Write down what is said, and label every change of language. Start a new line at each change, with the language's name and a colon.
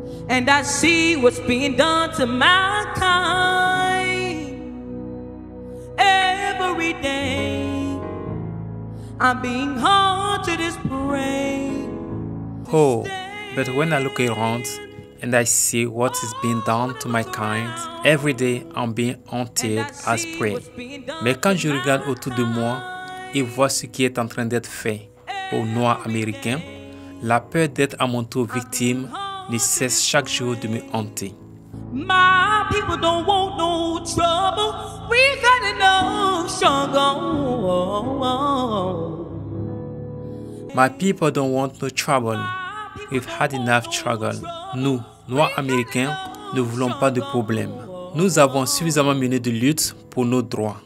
English: And I see what's being done to my kind. Every day I'm being haunted as prey. Oh, but when I look around and I see what is being done to my kind, every day I'm being haunted as prey.
French: Mais quand je regarde autour de moi et vois ce qui est en train d'être fait aux Noirs américains, la peur d'être à mon tour victime ne cesse chaque jour de me hanter.
English: My people don't want no trouble. We've had enough struggle. My people don't want no trouble. We've had enough struggle.
French: Nous, Noirs américains, ne voulons pas de problème. Nous avons suffisamment mené de lutte pour nos droits.